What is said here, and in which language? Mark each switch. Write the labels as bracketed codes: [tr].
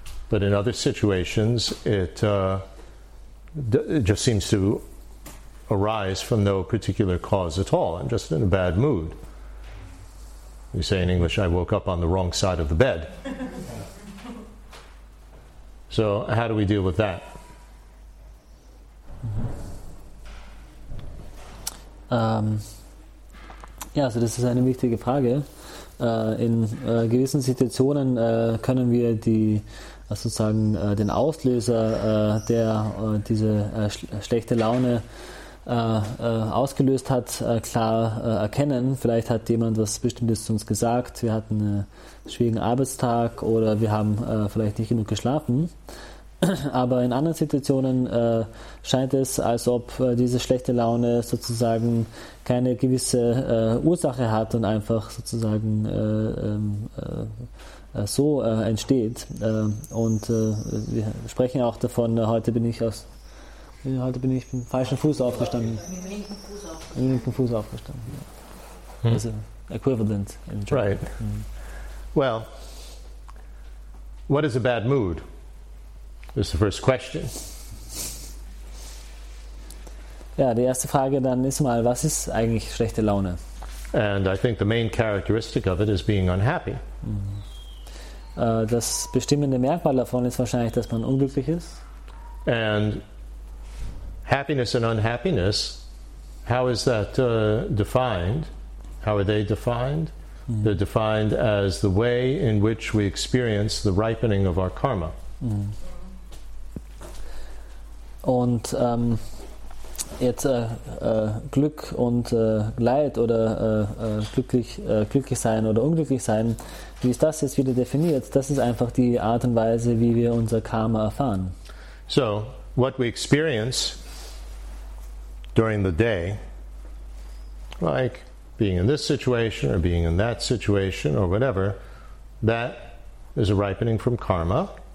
[en] But in other situations, it just seems to arise from no particular cause at all. I'm just in a bad mood. You say in English, I woke up on the wrong side of the bed. So how do we deal with that? [de] Also das ist eine wichtige Frage. In gewissen Situationen können wir den Auslöser, der diese schlechte Laune ausgelöst hat, klar erkennen. Vielleicht hat jemand was Bestimmtes zu uns gesagt, wir hatten einen schwierigen Arbeitstag oder wir haben vielleicht nicht genug geschlafen. Aber in anderen Situationen scheint es, als ob diese schlechte Laune sozusagen keine gewisse Ursache hat und einfach sozusagen entsteht. Und wir sprechen auch davon, heute bin ich mit dem falschen Fuß aufgestanden. Mit dem linken Fuß aufgestanden. [en] Also equivalent in German. Right. Well, what is a bad mood? That's the first question. [de] Ja, die erste Frage dann ist mal, was ist eigentlich schlechte Laune? [en] And I think the main characteristic of it is being unhappy. [de] Das bestimmende Merkmal davon ist wahrscheinlich, dass man unglücklich ist. [en] And happiness and unhappiness, how is that defined? How are they defined? Mm. They're defined as the way in which we experience the ripening of our karma. [de] Und jetzt Glück und Leid oder glücklich sein oder unglücklich sein, wie ist das jetzt wieder definiert? Das ist einfach die Art und Weise, wie wir unser Karma erfahren. [en] So, what we experience during the day, like being in this situation or being in that situation or whatever, that is a ripening from karma.